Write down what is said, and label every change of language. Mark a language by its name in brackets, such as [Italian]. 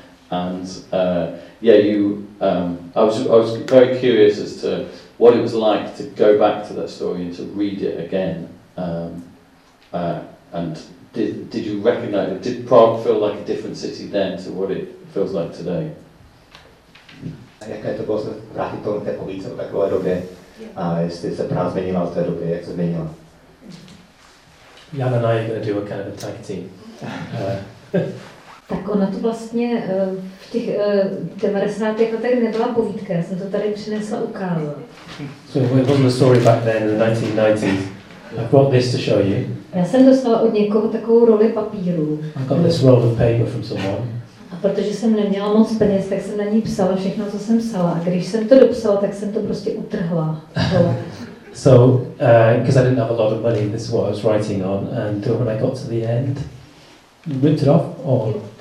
[English] I was very curious as to what it was like to go back to that story and to read it again. And did you recognize it? Did Prague feel like a different city then to what it feels like today? [Czech] Jaké to bylo se vrátit do té povíce o takové době a jestli se Praha změnila v té době, jak se změnila? [English] Jan and I are going to do a kind of a tag team. [Czech] Tak ona to vlastně v těch 90. letech nebyla povídka, já jsem to tady přinesla ukázat. [English] So it wasn't a story back then in the 1990s. I brought this to show you. [Czech] Já jsem dostala od někoho takovou roli papíru. [English] I got this roll of paper from someone. [Czech] A protože jsem neměla moc peněz, tak jsem na ní psala všechno, co jsem psala. A když jsem to dopsala, tak jsem to prostě utrhla. [English] So, because I didn't have a lot of money, this is what I was writing on, and when I got to the end, ripped it off, or?